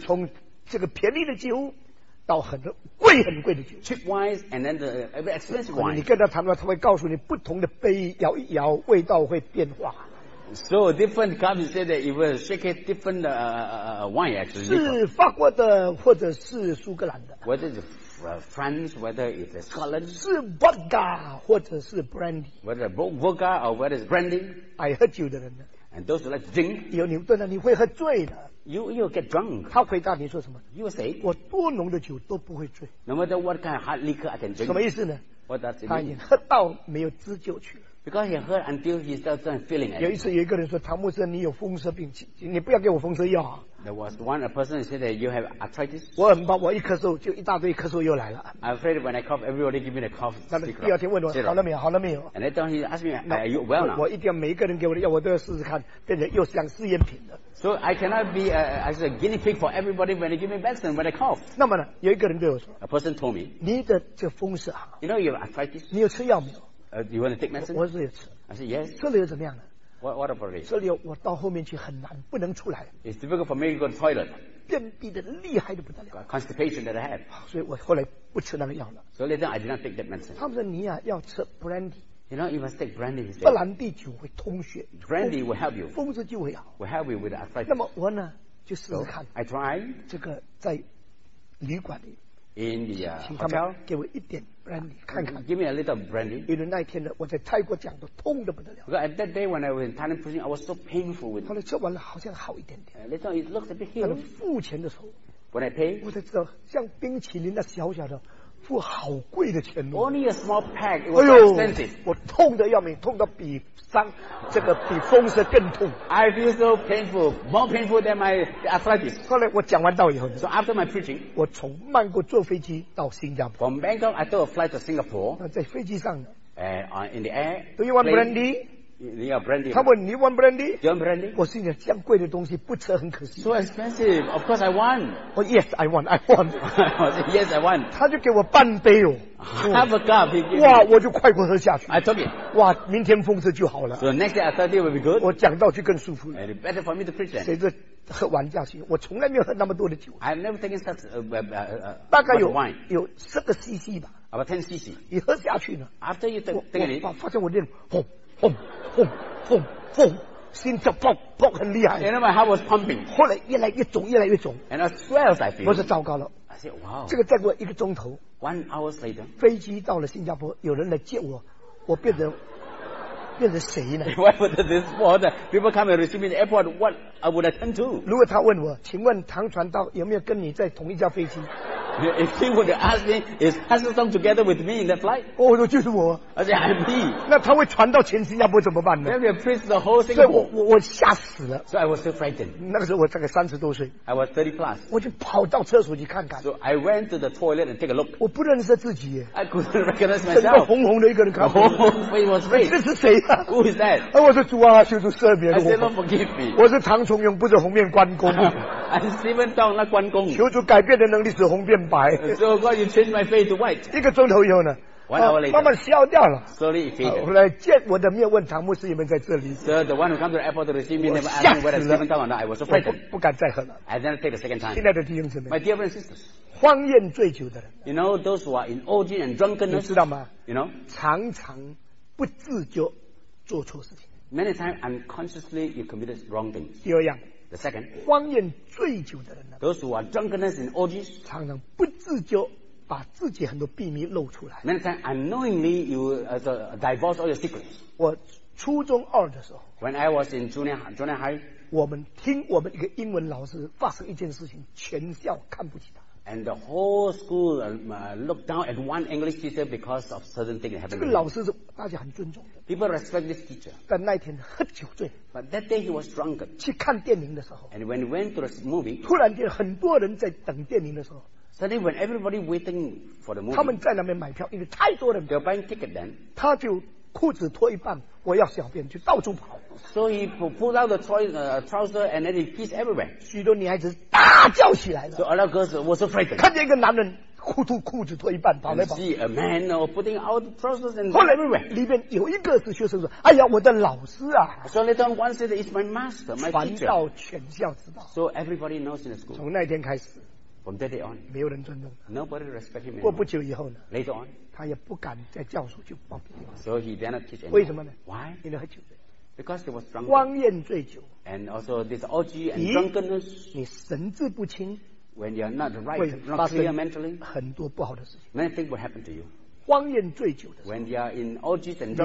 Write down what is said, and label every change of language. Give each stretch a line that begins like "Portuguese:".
Chinese: 从这个便宜的酒到很贵很贵的酒
English: cheap wine and then the expensive wine
Chinese: 你跟他谈话他会告诉你不同的杯摇一摇味道会变化
English: so different cups say that it will shake it different wine actually
Chinese: 是法国的或者是苏格兰的
English: whether it's France whether it's Scotland
Chinese: 是 vodka 或者是 brandy
English: whether it's vodka or whether it's brandy
Chinese: 爱喝酒的人呢
English: and those who like to drink
Chinese: 有牛顿了你会喝醉的
English: You get drunk.
Chinese: 他回答你说什么
English: ？You say
Chinese: 我多浓的酒都不会醉。
English: No matter what kind of hard liquor I can drink.
Chinese: 什么意思呢
English: ？What does it mean?
Chinese: 他已经喝到没有知觉去了。
English: Because he heard until he doesn't feeling it.
Chinese: 有一次有一个人说：“唐牧师，你有风湿病，你不要给我风湿药。”
English: There was one person said that you have arthritis.
Chinese: 我很怕，我一咳嗽就一大堆咳嗽又来了。
English: I'm afraid when I cough, everybody give me the cough.
Chinese: 那么第二天问我好了没有？好了没有
English: ？And then he asked me, "Are you well now?"
Chinese: 我一定要每一个人给我的药，我都要试试看，变成又像试验品的。
English: So I cannot be as a guinea pig for everybody when they give me medicine when I cough.
Chinese: 那么呢，有一个人对我说
English: ，A person told me，
Chinese: 你的这风湿啊
English: ，You know you have arthritis，
Chinese: 你有吃药没有
English: ？You want to take medicine？
Chinese: 我说有吃。
English: I said yes。
Chinese: 这里又怎么样呢
English: ？What about it？
Chinese: 这里我到后面去很难，不能出来。
English: It's difficult for me to go to the toilet。
Chinese: 便秘的厉害的不得了。
English: Constipation that I have。
Chinese: 所以我后来不吃那个药了。
English: So later I did not take that medicine。
Chinese: 他们说你呀要吃 brandy。
English: You know, you must take brandy.
Chinese: 不然地酒会通血。
English: Brandy will help you.
Chinese: 风湿就会好。
English: Will help you with arthritis.
Chinese: 那么我呢，就试试看。
English: So, I tried.
Chinese: 这个在旅馆里。
English: In the hotel.
Chinese: 请他们给我一点 brandy 看看。
English: Give me a little brandy.
Chinese: 因为那一天呢，我在泰国讲都痛得不得了。
English: Because at that day when I was in Thailand preaching, I was so painful with.
Chinese: 后来吃完了，好像好一点点。
English: Later it looks a bit healed.
Chinese: 到了付钱的时候。
English: When I pay.
Chinese: 我才知道，像冰淇淋那小小的。付好贵的钱哦
English: Only a small pack. It was expensive.
Chinese: 我痛得要命，痛得比伤这个比风湿更痛。
English: I feel so painful, more painful than my arthritis.
Chinese: 后来我讲完道以后
English: ，So after my preaching,
Chinese: 我从曼谷坐飞机到新加坡。
English: From Bangkok, I took a flight to Singapore.
Chinese: 那在飞机上呢
English: in the air. Do you want brandy? You want brandy?
Chinese: 他问你
English: want brandy? Do you want brandy?
Chinese: 我心想这样贵的东西不吃很可惜。
English: So expensive. Of course I want. Oh yes, I want. I want. yes, I want.
Chinese: 他就给我半杯哦。
English: Have a cup.
Chinese: 哇，我就快快喝下去。
English: I took it.
Chinese: 哇，明天风湿就好了。
English: So next day I thought it would be good.
Chinese: 我讲到就更舒服。
English: And it's better for me to preach.
Chinese: 谁知喝完下去，我从来没有喝那么多的酒。
English: I've never taken such
Chinese: 大概有十个 cc 吧。
English: About 10 cc.
Chinese: 一喝下去呢
English: ，After you take it,
Chinese: 我发现我那种砰砰砰砰，心跳砰砰很厉害。
English: And my heart was pumping.
Chinese: 后来越来越肿，越来越肿。
English: And I swelled, I feel.
Chinese: 我说糟糕了。
English: I said, wow.
Chinese: 这个再过一个钟头。
English: One hour later.
Chinese: 飞机到了新加坡，有人来接我，我变成谁呢
English: ？Why would this world people come and receive me in the airport? What I would I turn to?
Chinese: 如果他问我，请问唐传道有没有跟你在同一架飞机？
English: If he would ask me, is Pastor Song together with me in that flight?
Chinese: Oh, 就是我。而且
English: I'm me.
Chinese: 那他会传到全新加坡怎么办呢？
English: Then we preach the whole Singapore.
Chinese: 所以我吓死了。
English: So I was so frightened.
Chinese: 那个时候我大概三十多岁。
English: I was 30 plus.
Chinese: 我就跑到厕所去看看。
English: So I went to the toilet and take a look.
Chinese: 我不认识自己。
English: I couldn't recognize myself.
Chinese: 整个红红的一个人看。
English: Oh, he was red.
Chinese: 这是谁啊？
English: Who is that?
Chinese: 我说主啊，求主赦免我。
English: I said, Lord, forgive me.
Chinese: 我是唐崇荣，不是红面关公。
English: I'm Stephen Tong, not 关公。
Chinese: 求主改变的能力使红变白。
English: So God, you changed my face to white.
Chinese: 一个钟头以后呢？
English: One hour later,
Chinese: 慢慢消掉了。
English: Slowly faded.
Chinese: 后来见我的面问唐牧师有没有在这里。
English: So the one who comes to the airport to receive me never asked me whether Stephen Tong or not. I was so frightened.
Chinese: 不敢再喝了。
English: I then take the second time.
Chinese: 亲爱的弟兄姊妹。
English: My dear brothers and sisters.
Chinese: 荒宴醉酒的人。
English: You know those who are in orgy and drunkenness.
Chinese: 你知道吗？
English: You know.
Chinese: 常常不自觉做错事情。
English: Many times unconsciously you committed wrong things.
Chinese: 第二样。
English: The second.
Chinese: 荒宴醉酒的人。
English: Those who are drunkenness in orgies.
Chinese: 常常不自觉。把自己很多秘密露出来。
English: Many times unknowingly you divulge all your secrets.
Chinese: 我初中二的时候。
English: When I was in junior high.
Chinese: 我们听我们一个英文老师发生一件事情，全校看不起他。
English: And the whole school looked down at one English teacher because of certain thing that happened.
Chinese: 这个老师是大家很尊重的。
English: People respect this teacher.
Chinese: 但那天喝酒醉。
English: But that day he was drunk.
Chinese: 去看电影的时候。
English: And when he went to the movie.
Chinese: 突然间很多人在等电影的时候。
English: Suddenly, when everybody waiting for the movie,
Chinese: 他们在那边买票，因为太多人。
English: They're buying ticket then.
Chinese: 他就裤子脱一半，我要小便，就到处跑。
English: So he pulled out the trouser and then he pissed everywhere.
Chinese: 许多女孩子大叫起来了。
English: So a lot of girls were so frightened.
Chinese: 看见一个男人裤子脱一半跑来跑。
English: See a man putting out the trousers and everywhere.
Chinese: 里面有一个是学生说：“哎呀，我的老师啊。
English: ”So later on, one said, "It's my master, my teacher."
Chinese: 传到全校知道。
English: So everybody knows in the school.
Chinese: 从那天开始。
English: From that day on,
Chinese: 没有人尊重。
English: Nobody respect him.
Chinese: 过不久以后呢
English: ？Later on,
Chinese: 他也不敢在教室去报批。
English: So he did not teach anymore.
Chinese: 为什么呢
English: ？Why?
Chinese: 因为喝酒。
English: Because he was drunk.
Chinese: 荒宴醉酒。
English: And also this orgy and drunkenness.
Chinese: 你神志不清。
English: When you are not right, not clear mentally.
Chinese: 很多不好的事情。
English: Many things will happen to you.
Chinese: 荒宴醉酒的。
English: When you are in orgies and drunkenness.